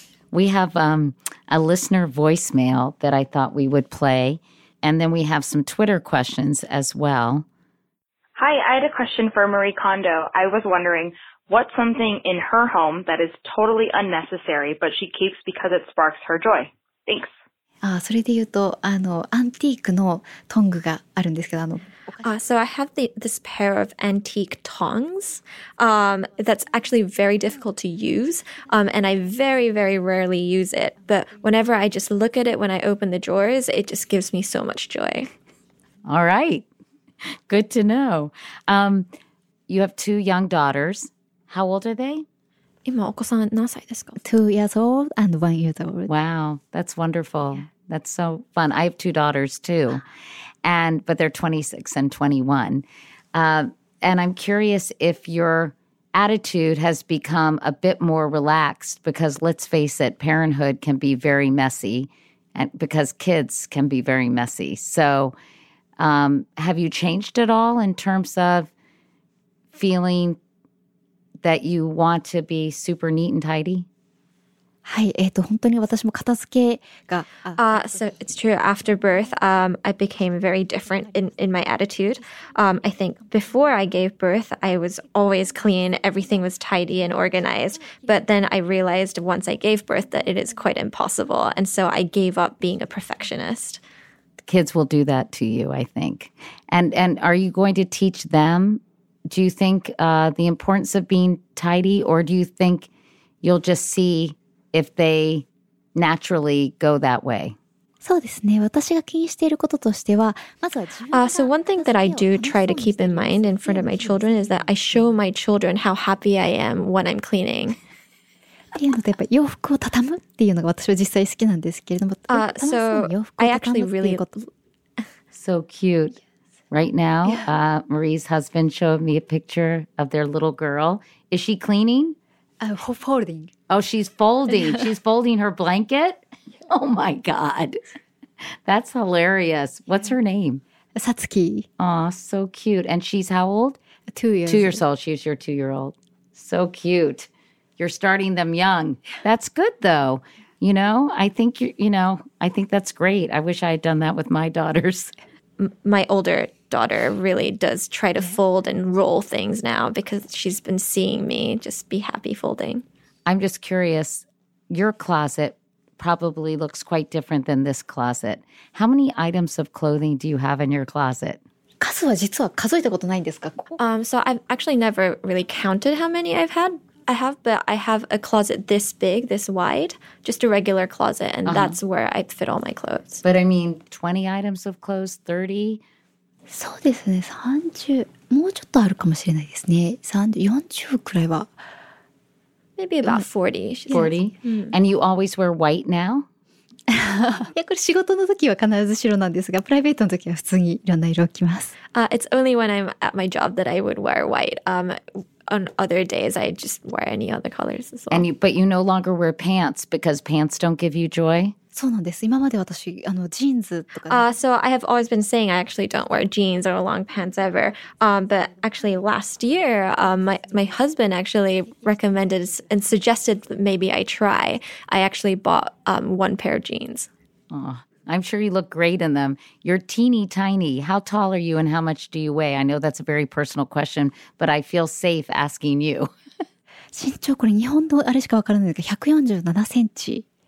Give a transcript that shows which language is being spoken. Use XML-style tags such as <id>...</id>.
<en>We have a listener voicemail that I thought we would play. And then we have some Twitter questions as well. Hi, I had a question for Marie Kondo. I was wondering, what's something in her home that is totally unnecessary, but she keeps because it sparks her joy? Thanks.</en> <ja>ああ、それで言うと、あの、アンティークのトングがあるんですけど、あの、</ja> <en>So I have this pair of antique tongs that's actually very difficult to use and I very, very rarely use it. But whenever I just look at it when I open the drawers, it just gives me so much joy. All right. Good to know. You have two young daughters. How old are they?</en> <ja>今お子さん何歳ですか?</ja> <en>2 years old and 1 year old. Wow, that's wonderful. Yeah. That's so fun. I have two daughters too. But they're 26 and 21. And I'm curious if your attitude has become a bit more relaxed because let's face it, parenthood can be very messy and because kids can be very messy. So have you changed at all in terms of feeling that you want to be super neat and tidy?</en> <ja>はい、本当に私も片付けが…</ja> <en>So it's true, after birth, I became very different in my attitude. I think before I gave birth, I was always clean, everything was tidy and organized. But then I realized once I gave birth that it is quite impossible. And so I gave up being a perfectionist. Kids will do that to you, I think. And are you going to teach them, do you think, the importance of being tidy? Or do you think you'll just see… if they naturally go that way.</en> <ja>そうですね。私が気にしていることとしては、まずは自分が。</ja> <en>So one thing that I do try to keep in mind in front of my children is that I show my children how happy I am when I'm cleaning.</en> <ja>っていうのとやっぱ洋服を畳むっていうのが私は実際好きなんですけれども、楽しそうに洋服を畳むっていうこと。</ja> <en>So I actually really so cute. Right now, Marie's husband showed me a picture of their little girl. Is she cleaning? Folding. Oh, she's folding. She's folding her blanket? Oh my God. That's hilarious. What's her name? Satsuki. Aw, so cute. And she's how old? 2 years. 2 years old. She's your 2-year-old. So cute. You're starting them young. That's good though. You know, I think, I think that's great. I wish I had done that with my daughters. My older daughter really does try to fold and roll things now because she's been seeing me just be happy folding. I'm just curious, your closet probably looks quite different than this closet. How many items of clothing do you have in your closet?</en> <ja>数は実は数えたことないんですか?</ja> <en>So I've actually never really counted how many I have, but I have a closet this big, this wide, just a regular closet, and that's where I fit all my clothes. But I mean, 20 items of clothes, 30?</en> <ja>そうですね、30、もうちょっとあるかもしれないですね。 30、40くらいは。</ja> <en>Maybe about 40. 40? Yes. And you always wear white now?</en> <ja>いや、これ仕事の時は必ず白なんですが、プライベートの時は普通にいろんな色を着ます。</ja> <en>It's only when I'm at my job that I would wear white. On other days, I just wear any other colors as well. But you no longer wear pants because pants don't give you joy?</en> <ja>そうなんです。今まで私、あの、ジーンズとか、ね。</ja> <en>So I have always been saying I actually don't wear jeans or long pants ever. But actually last year, my husband actually recommended and suggested that maybe I try. I actually bought one pair of jeans. Oh, I'm sure you look great in them. You're teeny tiny. How tall are you and how much do you weigh? I know that's a very personal question, but I feel safe asking you.</en> <ja>身長これ日本のあれしかわからないけど、147センチ。</ja>